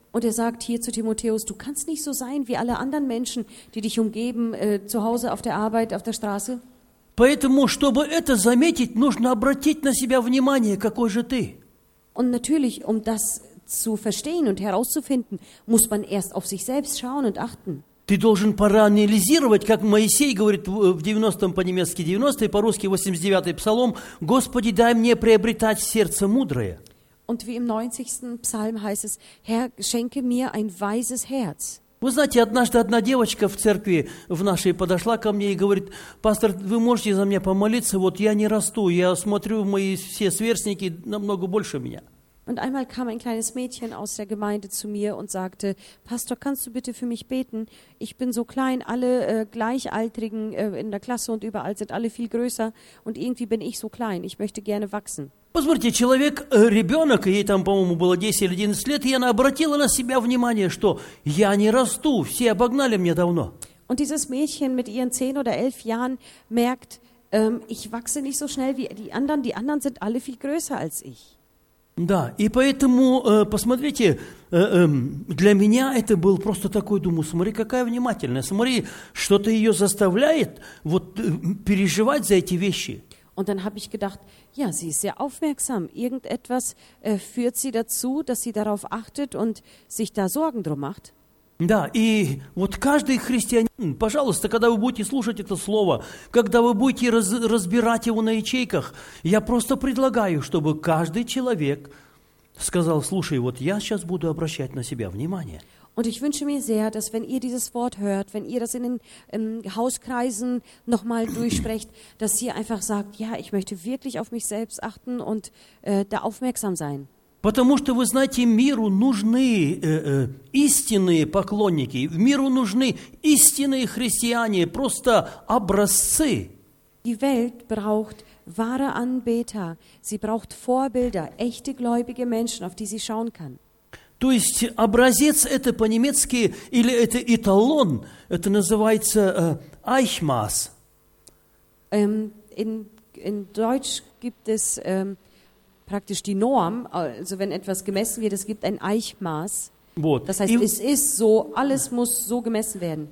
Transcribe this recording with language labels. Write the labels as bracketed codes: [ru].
[de] Und er sagt hier zu Timotheus, du kannst nicht so sein wie alle anderen Menschen, die dich umgeben, zu Hause, auf der Arbeit, auf der Straße. [ru] Поэтому, чтобы это заметить, нужно обратить на себя внимание, какой же ты. [de] Und natürlich, um das zu verstehen und herauszufinden, muss man erst auf sich selbst schauen und achten. [ru] Ты должен проанализировать, как Моисей говорит в 90-м по-немецки 90-й, по-русски 89-й псалом, «Господи, дай мне приобретать сердце мудрое». [de] Und wie im 90. Psalm heißt es, Herr, schenke mir ein weises Herz. [ru] Вы знаете, однажды одна девочка в церкви в нашей подошла ко мне и говорит, пастор, вы можете за меня помолиться? Вот я не расту, я смотрю, мои все сверстники намного больше меня. [de] Und einmal kam ein kleines Mädchen aus der Gemeinde zu mir und sagte, Pastor, kannst du bitte für mich beten? Ich bin so klein, alle Gleichaltrigen in der Klasse und überall sind alle viel größer und irgendwie bin ich so klein, ich möchte gerne wachsen. [ru] Позвольте, человек, ребенок, ей там, по-моему, было 10 или 11 лет, и она обратила на себя внимание, что я не расту, все обогнали меня давно. [de] Und dieses Mädchen mit ihren 10 oder 11 Jahren merkt, ich wachse nicht so schnell wie die anderen sind alle viel größer als ich. [ru] Да, и поэтому, посмотрите, для меня это был просто такой, думаю, смотри, какая внимательная, смотри, что-то ее заставляет вот переживать за эти вещи. [de] Und dann habe ich gedacht, ja, sie ist sehr aufmerksam. Irgendetwas führt sie dazu, dass sie darauf achtet und sich da Sorgen drum macht. [ru] Да, и вот каждый христианин, пожалуйста, когда вы будете слушать это слово, когда вы будете разбирать его на ячейках, я просто предлагаю, чтобы каждый человек сказал, слушай, вот я сейчас буду обращать на себя внимание. [de] Und ich wünsche mir sehr, dass wenn ihr dieses Wort hört, wenn ihr das in den Hauskreisen nochmal durchsprecht, dass ihr einfach sagt, ja, ich möchte wirklich auf mich selbst achten und da aufmerksam sein. [ru] Потому что, вы знаете, миру нужны истинные поклонники, миру нужны истинные христиане, просто образцы. [de] Die Welt braucht wahre Anbeter, sie braucht Vorbilder, echte gläubige Menschen, auf die sie schauen kann. [ru] То есть образец это по-немецки или это эталон, это называется Eichmaß. [de] In Deutsch gibt es praktisch die Norm, also wenn etwas gemessen wird, es gibt ein Eichmaß. [ru] Вот. [de] Das heißt, es ist so, alles muss so gemessen werden.